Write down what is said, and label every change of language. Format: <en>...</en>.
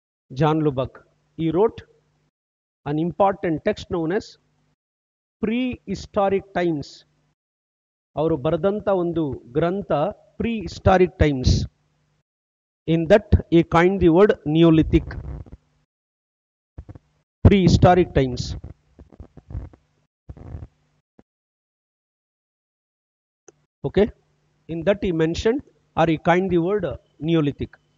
<en>John Lubbock. He wrote an important text known as Prehistoric Times.</en> <kn>ಅವರು ಬರೆದಂಥ ಒಂದು ಗ್ರಂಥ Prehistoric Times.</kn> <en>In that, he coined the word Neolithic. Prehistoric Times. Okay? In that, he mentioned or he coined the word Neolithic.</en>